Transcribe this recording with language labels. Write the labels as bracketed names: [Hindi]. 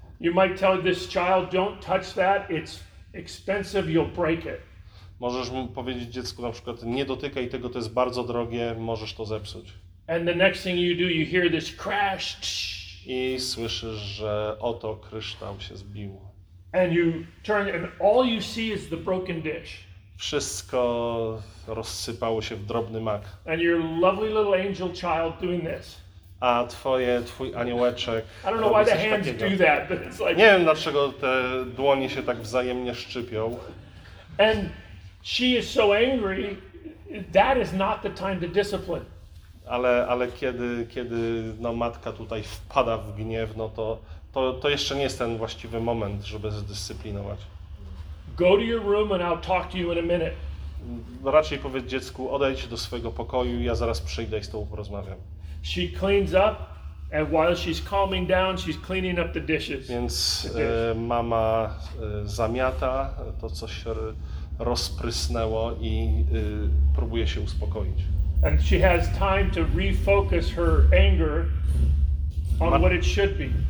[English] You might tell this child, don't touch that, it's expensive, you'll break it. [Polish] Możesz mu powiedzieć dziecku na przykład, nie dotykaj tego, to jest bardzo drogie, możesz to zepsuć. [English] And the next thing you do, you hear this crash. [Polish] I słyszysz, że oto kryształ się zbił. [English] And you turn and all you see is the broken dish. [Polish] Wszystko rozsypało się w drobny mak. [English] And your lovely little angel child doing this. [Polish] A twój aniołeczek. [English] I don't know why the hands do that, but it's like... [Polish] Nie wiem, dlaczego te dłonie się tak wzajemnie szczypią. [English] And she is so angry, that is not the time to discipline. [Polish] Ale kiedy no, matka tutaj wpada w gniew, no to jeszcze nie jest ten właściwy moment, żeby zdyscyplinować. [English] Go to your room and I'll talk to you in a minute. [Polish] Raczej powiedz dziecku, odejdź do swojego pokoju, ja zaraz przyjdę i z tobą porozmawiam. [English] She cleans up, and while she's calming down, she's cleaning up the dishes. [Polish] Więc mama zamiata to, co się rozprysnęło, i próbuje się uspokoić. [English] And she has time to refocus her anger on what it should be.